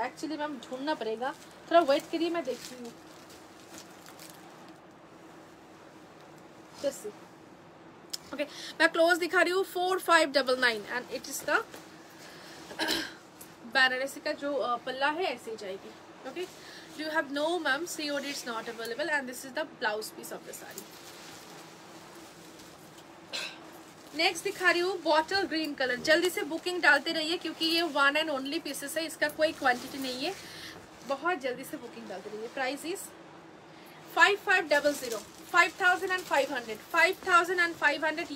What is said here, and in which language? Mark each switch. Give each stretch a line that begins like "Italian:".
Hindi: Actually ma'am ढूंढना पड़ेगा, थोड़ा वेट करिए, मैं देखती हूँ। ओके, मैं क्लोज दिखा रही हूँ। 4599
English: and it is the
Hindi: Banarasi का जो पल्ला है ऐसे ही जाएगी।
English: Okay, do you have no ma'am, COD is not available and this is the blouse piece of the saree.
Hindi: Next दिखा रही हूँ बॉटल ग्रीन कलर। जल्दी से बुकिंग डालते रहिए क्योंकि ये वन एंड ओनली पीसेस है, इसका कोई क्वांटिटी नहीं है। बहुत जल्दी से बुकिंग डालते रहिए।
English: Price is 5500, 5500, 5500।